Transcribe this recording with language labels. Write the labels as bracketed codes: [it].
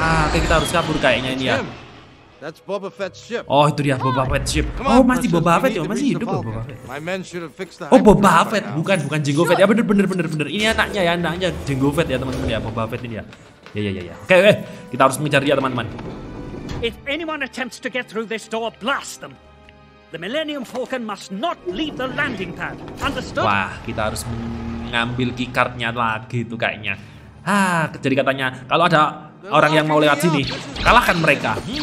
[id] Oke, kita harus kabur kayaknya ini ya. [en] That's Boba Fett's ship. [id] Oh, itu dia Boba Fett's ship. Oh, masih Boba Fett ya, masih hidup Boba Fett. Oh, Boba Fett, bukan Jango Fett. Ya bener. Ini anaknya ya, anaknya Jango Fett ya, teman-teman ya, Boba Fett ini ya. Ya. Oke, kita harus mengejar dia, teman-teman. [en] If anyone attempts to get through this door, blast them. The Millennium Falcon must not leave the landing pad. Understood? [id] Wah, kita harus mengambil keycard-nya lagi tuh kayaknya. Jadi katanya kalau ada orang yang mau lewat sini, kalahkan mereka.